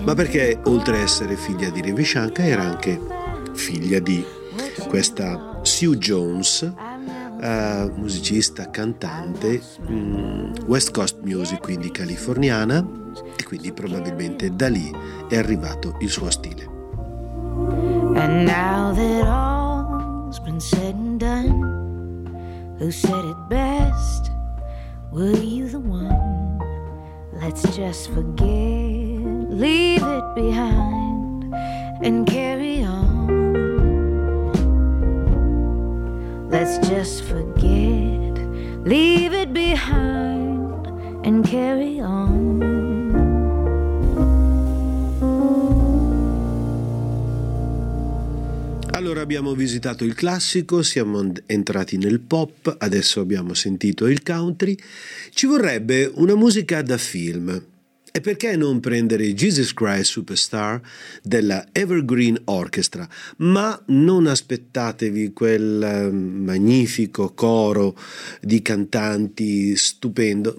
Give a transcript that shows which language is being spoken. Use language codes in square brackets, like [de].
[it] Ma perché, oltre a essere figlia di Ravi Shankar, era anche figlia di questa Sue Jones, musicista, cantante, West Coast Music, quindi californiana, e quindi probabilmente da lì è arrivato il suo stile. [en] And now that all's been said and done, who said it best? Were you the one? Let's just forget, leave it behind and carry on. Let's just forget, leave it behind and carry on. [it] Allora abbiamo visitato il classico, siamo entrati nel pop, adesso abbiamo sentito il country. Ci vorrebbe una musica da film. E perché non prendere Jesus Christ Superstar della Evergreen Orchestra? Ma non aspettatevi quel magnifico coro di cantanti stupendo.